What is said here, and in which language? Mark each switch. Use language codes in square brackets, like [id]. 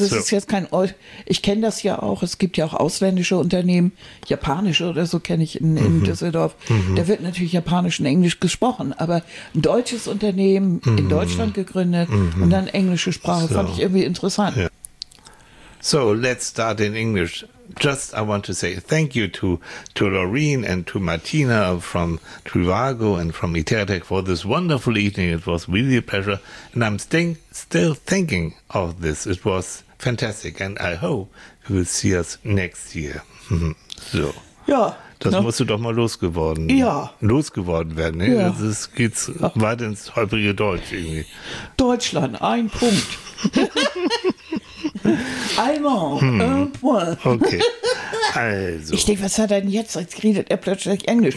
[de] Also es ist jetzt kein, ich kenne das ja auch, es gibt ja auch ausländische Unternehmen, japanische oder so kenne ich in Düsseldorf, da wird natürlich japanisch und englisch gesprochen, aber ein deutsches Unternehmen in Deutschland gegründet und dann englische Sprache, fand ich irgendwie interessant. Ja. [en] So, let's start in English. Just, I want to say thank you to Laureen and to Martina from Trivago and from Iteratec for this wonderful evening. It was really a pleasure. And I'm still thinking of this. It was fantastic. And I hope you will see us next year. So. [de] Ja. Das musst du doch mal losgeworden. Ja. Losgeworden werden. Ne? Ja. Das geht's weit ins holprige Deutsch irgendwie. Deutschland, ein Punkt. [fr] Allemand, un point. [de] Okay. Also. Ich denke, was hat er denn jetzt? Jetzt redet er plötzlich Englisch.